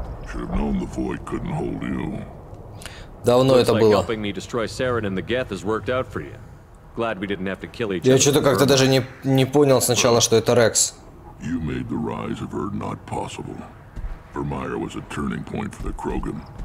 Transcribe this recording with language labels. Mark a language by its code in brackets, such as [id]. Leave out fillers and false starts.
[en] Should have known the void couldn't hold you. [ru] Давно это было. [en] Helping me destroy Saren and the Geth has worked out for you. Glad we didn't have to kill each other. [ru] Я что-то как-то даже не понял сначала, что это Рекс. [en] You made the rise of Erdnot possible. Vermeier was a turning point for the Krogan.